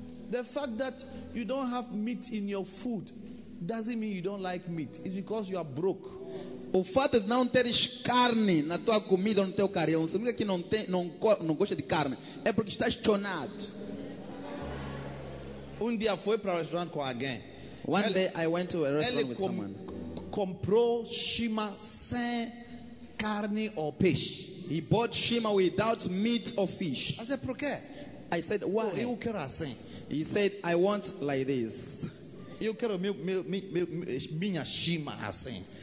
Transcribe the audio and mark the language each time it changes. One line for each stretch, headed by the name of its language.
English: The fact that you don't have meat in your food doesn't mean you don't like meat. It's because you are broke.
Portuguese: O fato de não teres carne na tua comida, no teu carrinho, você nunca que não tem, não gosta de carne, é porque estás chonado. Um dia fui para o restaurante com alguém.
English: One day I went to a restaurant with someone.
Portuguese: Comprou shima sem carne ou peixe.
English: He bought shima without meat or fish. I said,
Portuguese: por quê?
English: I said, why?
Portuguese: Eu quero assim.
English: He said, I want like this.
Portuguese: Eu quero minha shima assim.